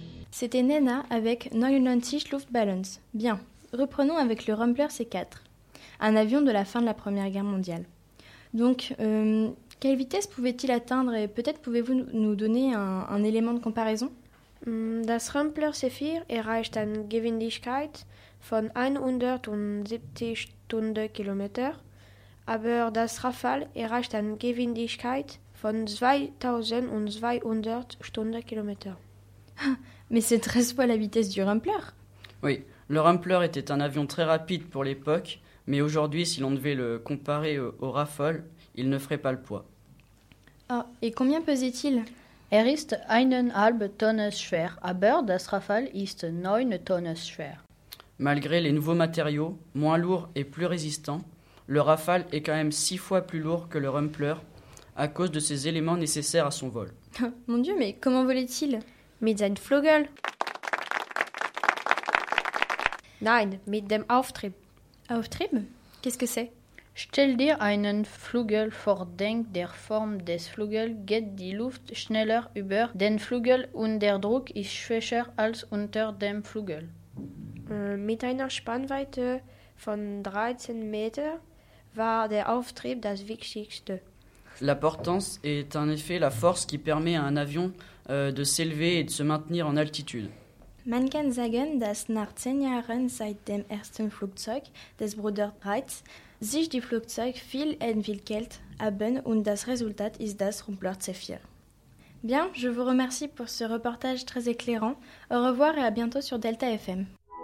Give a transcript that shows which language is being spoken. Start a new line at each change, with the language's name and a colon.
French: C'était Nena avec 99 Luftballons. Bien, reprenons avec le Rumpler C4, un avion de la fin de la Première Guerre mondiale. Donc, quelle vitesse pouvait-il atteindre et peut-être pouvez-vous nous donner un élément de comparaison?
German: Das Rumpler C4 erreicht eine Geschwindigkeit von 170 Stundenkilometern, aber das Rafale erreicht eine Geschwindigkeit von 2200 Stundenkilometern.
French: Mais c'est 13 fois la vitesse du Rumpler. Oui, le Rumpler était un avion très rapide pour l'époque, mais aujourd'hui, si l'on devait le comparer au Rafale, il ne ferait pas le poids. Oh, et combien pesait-il?
German: Er ist eineinhalb Tonnen schwer, aber das Rafale ist 9 Tonnen schwer.
French: Malgré les nouveaux matériaux, moins lourds et plus résistants, le Rafale est quand même 6 fois plus lourd que le Rumpler à cause de ses éléments nécessaires à son vol. Mon Dieu, mais comment volait-il?
German: Mit seinem Flügel. Nein, mit dem Auftrieb.
French: Auftrieb? Qu'est-ce que c'est?
German: Stell dir einen Flügel vor, denk der Form des Flügels geht die Luft schneller über den Flügel und der Druck ist schwächer als unter dem Flügel. Mit einer Spannweite von 13 Meter war der Auftrieb das Wichtigste.
French: La portance est en effet la force qui permet à un avion de s'élever et de se maintenir en altitude.
German: Man kann sagen, dass nach 10 Jahren seit dem ersten Flugzeug des Bruders Reitz sich die Flugzeuge viel entwickelt haben und das Resultat ist das Rumpler Zephyr.
French: Bien, je vous remercie pour ce reportage très éclairant. Au revoir et à bientôt sur Delta FM.